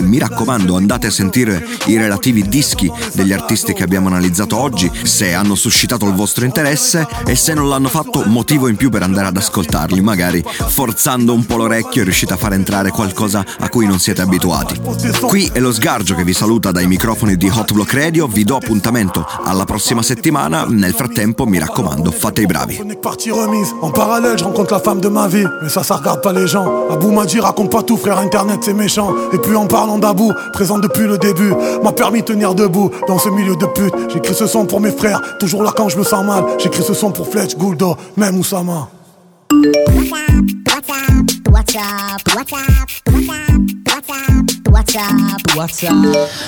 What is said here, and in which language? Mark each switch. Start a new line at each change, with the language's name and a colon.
Italian: Mi raccomando, andate a sentire i relativi dischi degli artisti che abbiamo analizzato oggi, se hanno suscitato il vostro interesse, e se non l'hanno fatto, motivo in più per andare ad ascoltarli, magari forzando un po' l'orecchio riuscite a far entrare qualcosa a cui non siete abituati. Qui è lo Sgargio che vi saluta dai microfoni di Hot Block Radio, vi do appuntamento alla prossima settimana. Nel frattempo mi raccomando, fate i bravi.
French: En parallèle, je rencontre la femme de ma vie, mais ça, ça regarde pas les gens. Abou m'a dit, raconte pas tout, frère, internet c'est méchant. Et puis en parlant d'Abou, présent depuis le début, m'a permis de tenir debout dans ce milieu de pute. J'écris ce son pour mes frères, toujours là quand je me sens mal. J'écris ce son pour Fletch, Gouldo, même Oussama.
English: What's up, what's up, what's up, what's up, what's up, what's up, what's up.